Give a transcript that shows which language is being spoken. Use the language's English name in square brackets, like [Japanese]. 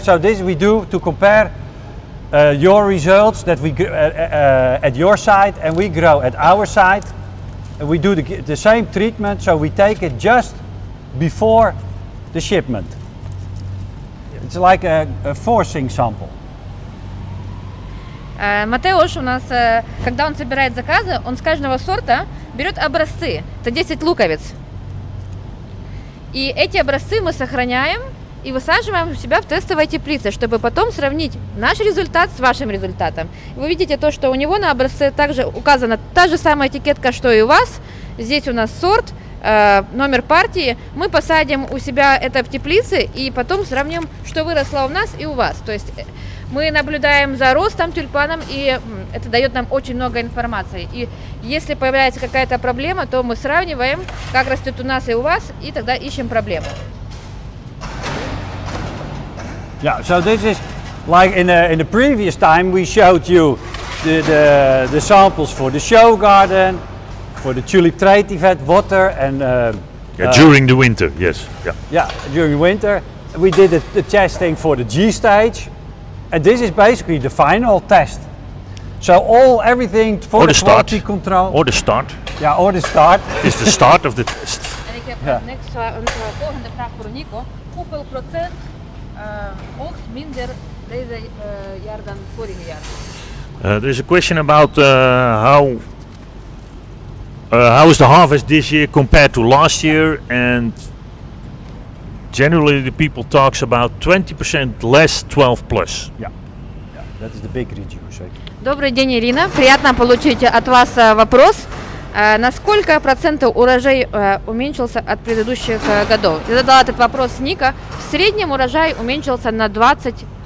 [English] So this we do to compare your results that we at your site and we grow at our site. And we do the same treatment, so we take it just before the shipment. It's like a forcing sample. [Russian] Матеуш у нас, когда он собирает заказы, он с каждого сорта берет образцы. Это 10 луковиц. И эти образцы мы сохраняем и высаживаем у себя в тестовой теплице, чтобы потом сравнить наш результат с вашим результатом. Вы видите то, что у него на образце также указана та же самая этикетка, что и у вас. Здесь у нас сорт, номер партии. Мы посадим у себя это в теплице и потом сравним, что выросло у нас и у вас. То есть мы наблюдаем за ростом тюльпаном, и это дает нам очень много информации. И если появляется какая-то проблема, то мы сравниваем, как растет у нас и у вас, и тогда ищем проблему. [English] Yeah, so this is like in the previous time we showed you the samples for the show garden, for the tulip trade event, water and During the winter, yes. Yeah. Yeah, during the winter. We did the testing for the G stage. And this is basically the final test. So everything for the quality control. Or the start. Yeah, or the start. It's the start of the test. [Dutch] En ik heb niks aan de volgende vraag voor Nico. Hoeveel procent oogst minder deze jaar dan vorig jaar? [English] There is a question about how is the harvest this year compared to last year, and generally the people talks about 20% less 12 plus. Yeah, that is the big reduce. [Russian] Добрый день, Ирина. Приятно получить от вас вопрос. На сколько процентов урожай уменьшился от предыдущих годов? Я задала этот вопрос Ника. В среднем урожай уменьшился на 20%.